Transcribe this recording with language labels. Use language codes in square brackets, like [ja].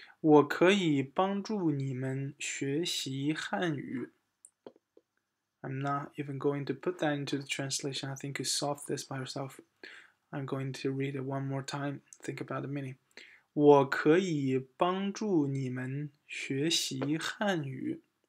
[zh] 我可以帮助你们学习汉语。 [en] I'm not even going to put that into the translation. I think you solve this by yourself. I'm going to read it one more time. Think about the meaning. [zh] 我可以帮助你们学习汉语。